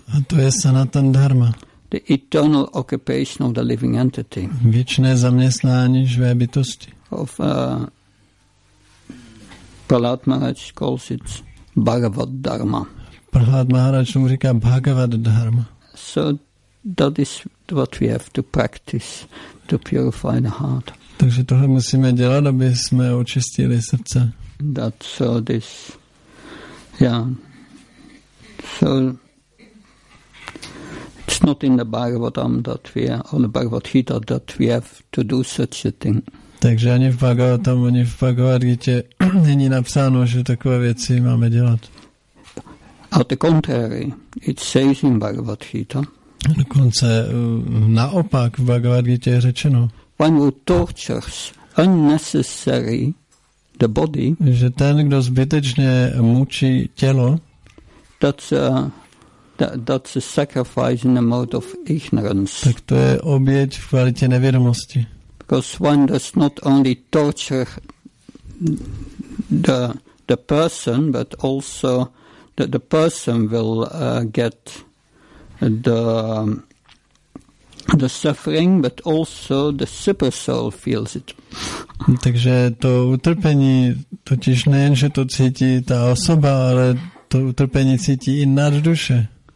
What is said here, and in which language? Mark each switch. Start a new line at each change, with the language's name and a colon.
Czech: A to je sanatan dharma.
English: The eternal occupation of the living entity.
Czech: Věčné zaměstnání živé bytosti.
English: Of Prahlad Maharaj calls it Bhagavad Dharma.
Czech: Prahlad Maharaj mu říká Bhagavad Dharma.
English: So that is what we have to practice to purify the heart.
Czech: Takže tohle musíme dělat, aby jsme očistili srdce.
English: That's so this. Yeah. So it's not in the Bhagavatam that we are, or the Bhagavad Gita that we have to do such a thing.
Czech: Takže ani v Bhagavatam, ani v Bhagavad Gita není napsáno, že takové věci máme dělat.
English: At the contrary, it says in Bhagavad Gita.
Czech: Dokonce naopak v Bhagavad Gita je řečeno.
English: One who tortures unnecessary the body.
Czech: Že ten, kdo zbytečně mučí tělo.
English: That's a sacrifice in the mode of ignorance.
Czech: Tak to je oběť v kvalitě nevědomosti.
English: Because one does not only torture the person, but also the person will get the suffering, but also the super soul feels it.
Czech: Takže to utrpení, totiž nejen, že to cítí ta osoba, ale to utrpení cítí i nadduše.